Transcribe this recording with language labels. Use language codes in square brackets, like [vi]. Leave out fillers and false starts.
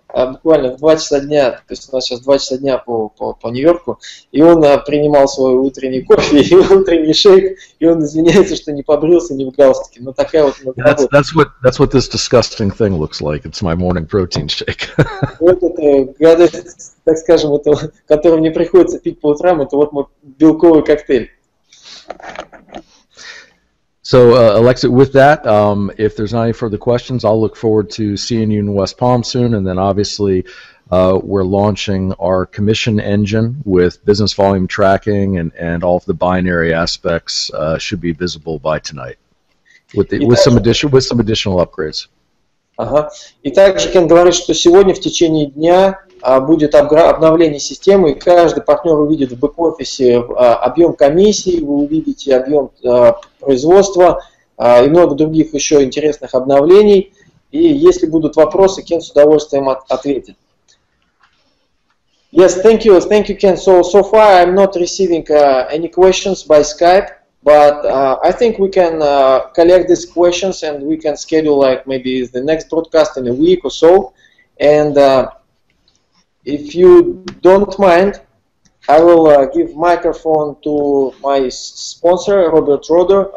[ru] Буквально в 2 часа дня, то есть у нас сейчас 2 часа дня по Нью-Йорку, и он принимал свой утренний кофе и утренний шейк, и он извиняется, что не побрился ни в галстуке. Но такая вот работа. [en] That's what this disgusting thing looks like. It's my morning protein shake. [ru] Вот это гадость, так скажем, это, которую мне приходится пить по утрам, это вот мой белковый коктейль. [en] So, Alexei, with that, if there's not any further questions, I'll look forward to seeing you in West Palm soon, and then obviously we're launching our commission engine with business volume tracking and all of the binary aspects should be visible by tonight with some additional upgrades. [ru] Uh-huh. И также Кен говорит, что сегодня в течение дня будет обновление системы, и каждый партнер увидит в бэк-офисе объем комиссии, вы увидите объем производства и много других еще интересных обновлений. И если будут вопросы, Кен с удовольствием ответит. [en] Yes, thank you, Ken. So far I'm not receiving any questions by Skype, but I think we can collect these questions and we can schedule like maybe the next broadcast in a week or so. And if you don't mind, I will give microphone to my sponsor, Robert Roder.